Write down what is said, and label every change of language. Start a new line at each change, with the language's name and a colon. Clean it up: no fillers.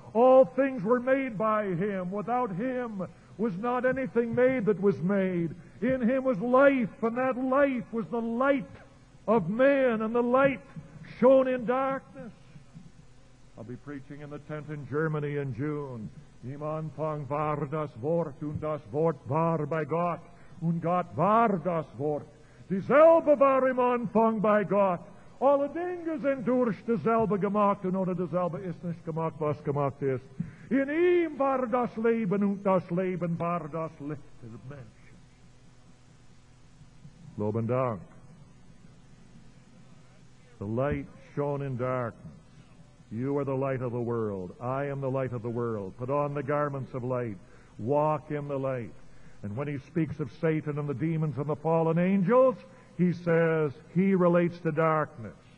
English: All things were made by him. Without him was not anything made that was made. In him was life, and that life was the light of men, and the light shone in darkness. I'll be preaching in the tent in Germany in June.
German: Im Anfang war das Wort, und das Wort war bei Gott, und Gott war das Wort. Dieselbe war im Anfang bei Gott. Alle Dinge sind durch dasselbe gemacht, und ohne dasselbe ist nicht gemacht, was gemacht ist. In ihm war das Leben, und das Leben war das Licht des Menschen. Lob und Dank.
English: The light shone in darkness. You are the light of the world. I am the light of the world. Put on the garments of light. Walk in the light. And when he speaks of Satan and the demons and the fallen angels, he says he relates to darkness.